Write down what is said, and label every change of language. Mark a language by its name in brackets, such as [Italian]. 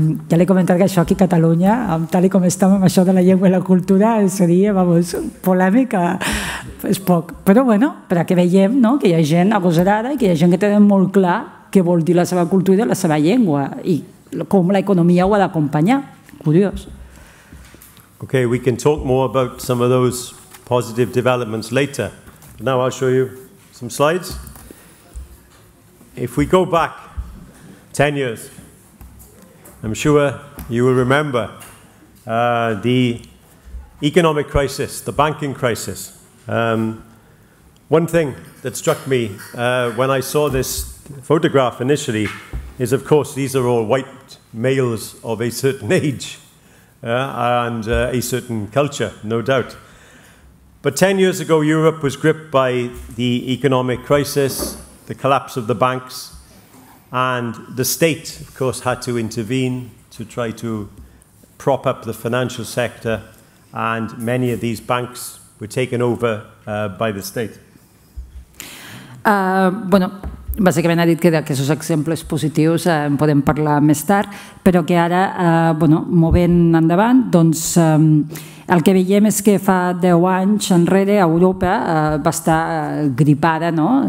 [Catalan] Ja l'he comentat que això aquí a Catalunya, tal com estem amb això de la llengua i la cultura, seria, vamos, polèmica, és poc. Però bueno, perquè veiem, no, que hi ha gent agosarada i que hi ha gent que té molt clar què vol dir la seva cultura i la seva llengua i com l'economia ho ha d'acompanyar. Curiós. [English] Okay, we can talk more about some of those positive developments later. Now I'll show you some slides. If we go back 10 years, I'm sure you will remember the economic crisis, the banking crisis. One thing that struck me when I saw this photograph initially is, of course, these are all white males of a certain age. A certain culture, no doubt. But 10 years ago, Europe was gripped by the economic crisis, the collapse of the banks, And the state, of course, had to intervene to try to prop up the financial sector, and many of these banks were taken over by the state. [Catalan] Bueno, bàsicament ha dit que d'aquests exemples positius en podem parlar més tard, però que ara, bueno, movent endavant, doncs el que veiem és que fa 10 anys enrere Europa va estar gripada, no?